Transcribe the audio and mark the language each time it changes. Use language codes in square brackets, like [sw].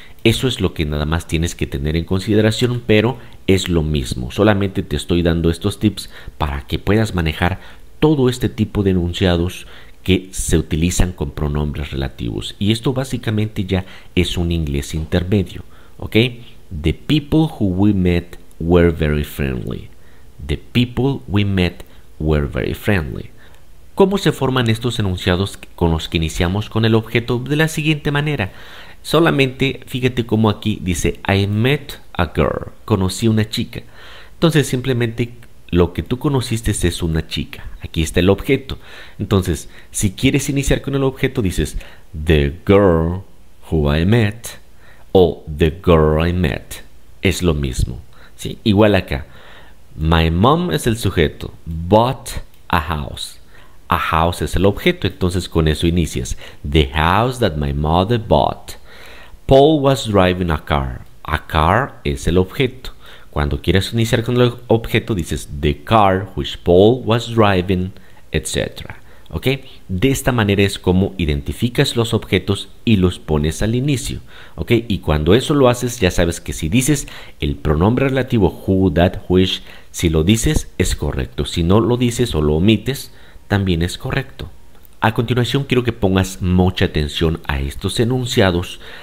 [es] Eso es lo que nada más tienes que tener en consideración, pero es lo mismo. Solamente te estoy dando estos tips para que puedas manejar todo este tipo de enunciados que se utilizan con pronombres relativos. Y esto básicamente ya es un inglés intermedio. ¿Ok? [en] The people who we met were very friendly. The people we met were very friendly. [es] ¿Cómo se forman estos enunciados con los que iniciamos con el objeto? De la siguiente manera. Solamente fíjate cómo aquí dice [en] I met a girl. [es] Conocí una chica. Entonces simplemente lo que tú conociste es una chica. Aquí está el objeto. Entonces, si quieres iniciar con el objeto, dices [en] the girl who I met [es] o [en] the girl I met. [es] Es lo mismo. ¿Sí? Igual acá. [en] My mom [es] es el sujeto. [en] Bought a house. A house [es] es el objeto. Entonces, con eso inicias. [en] The house that my mother bought. Paul was driving a car. A car [es] es el objeto. Cuando quieres iniciar con el objeto, dices [en] the car which Paul was driving, [es] etc. ¿Ok? De esta manera es como identificas los objetos y los pones al inicio. ¿Ok? Y cuando eso lo haces, ya sabes que si dices el pronombre relativo who, that, which, si lo dices, es correcto. Si no lo dices o lo omites, también es correcto. A continuación, quiero que pongas mucha atención a estos enunciados.